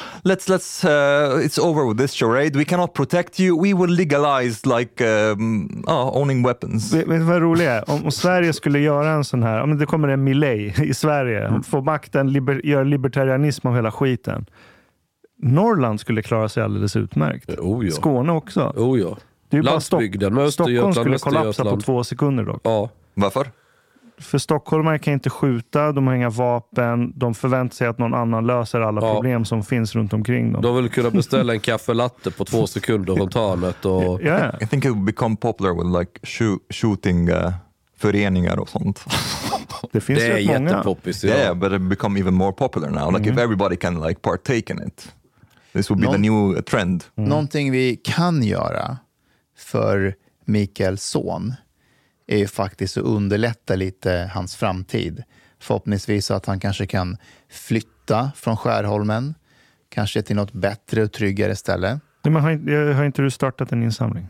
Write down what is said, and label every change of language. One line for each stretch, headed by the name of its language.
English: Let's it's over with this charade. We cannot protect you. We will legalize owning weapons.
Swedish: Vet du vad roligt är? Om Sverige skulle göra en sån här, det kommer en Milei i Sverige, få makten, gör libertarianism av hela skiten. Norrland skulle klara sig alldeles utmärkt. Skåne också. Det är landsbygden, bara Stockholm skulle kollapsa på 2 sekunder dock. Ja. Varför? För stockholmare kan inte skjuta, de har inga vapen, de förväntar sig att någon annan löser alla problem som finns runt omkring dem. De vill kunna beställa en kaffelatte på 2 sekunder runt hörnet. Och...
English: Yeah. I think it would become popular with shooting
Swedish: föreningar och sånt. Det finns det ju många. Det är jättepoppis. Ja.
English: Yeah, but it become even more popular now. Like if everybody can partake in it, this would be the new trend. Mm.
Swedish: Någonting vi kan göra för Mikaels son är ju faktiskt att underlätta lite hans framtid. Förhoppningsvis så att han kanske kan flytta från Skärholmen. Kanske till något bättre och tryggare ställe. Nej, men har inte du startat en insamling?